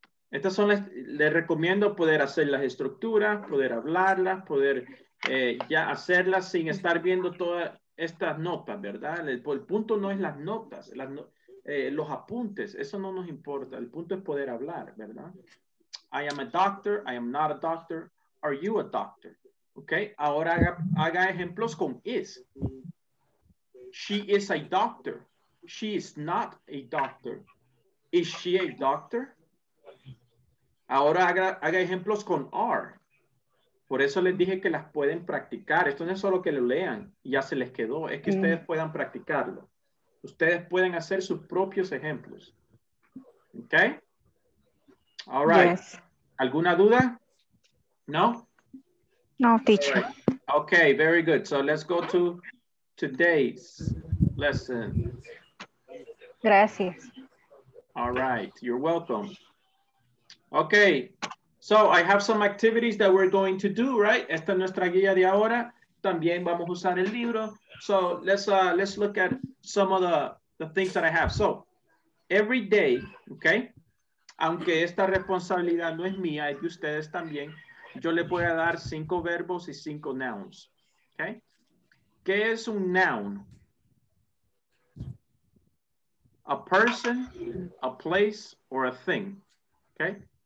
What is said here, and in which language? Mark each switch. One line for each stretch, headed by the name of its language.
Spanish: Estas son, les recomiendo poder hacer las estructuras, poder hablarlas, poder ya hacerlas sin estar viendo todas estas notas, ¿verdad? El punto no es las notas, los apuntes, eso no nos importa. El punto es poder hablar, ¿verdad?
English: I am a doctor, I am not a doctor. Are you a doctor?
Spanish: Okay, ahora haga ejemplos con is.
English: She is a doctor. She is not a doctor. Is she a doctor?
Spanish: Ahora haga ejemplos con are. Por eso les dije que las pueden practicar. Esto no es solo que lo lean, ya se les quedó. Es que ustedes puedan practicarlo. Ustedes pueden hacer sus propios ejemplos.
English: Okay? All right. Yes.
Spanish: ¿Alguna duda? No? No, teacher. Right.
English: Okay, very good. So let's go to today's lesson.
Spanish: Gracias.
English: All right, you're welcome. Okay, so I have some activities that we're going to do, right?
Spanish: Esta es nuestra guía de ahora. También vamos a usar el libro.
English: So let's look at some of the things that I have. So every day, okay,
Spanish: aunque esta responsabilidad no es mía, es de ustedes también, yo le voy a dar 5 verbos y 5 nouns, okay? ¿Qué es un noun?
English: A person, a place, or a thing, okay?